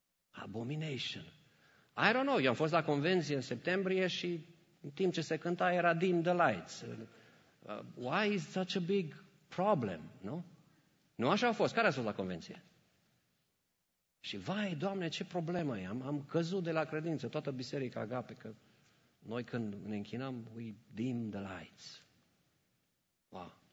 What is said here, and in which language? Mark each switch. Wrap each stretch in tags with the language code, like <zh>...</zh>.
<en>Abomination! I don't know,</en> <ro>eu am fost la convenție în septembrie și în timp ce se cânta era</ro> <en>dim the lights. Why is such a big problem, nu?</en> <ro>Nu așa a fost. Care a fost la convenție? Și vai, Doamne, ce problemă e. Am căzut de la credință, toată biserica Agape, că noi când ne închinăm,</ro> <en>we dim the lights. Wow!</en>